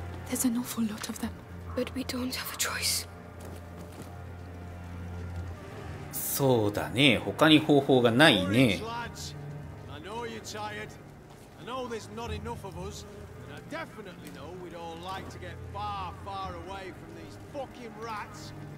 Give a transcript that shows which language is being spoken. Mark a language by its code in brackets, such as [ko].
[en] There's an awful lot of them, but we don't have a choice. [ja] そうだね、他に方法がないね。 [en] I know you're tired. I know know there's not enough of us, and I definitely know we'd all like to get far, far away from these fucking rats.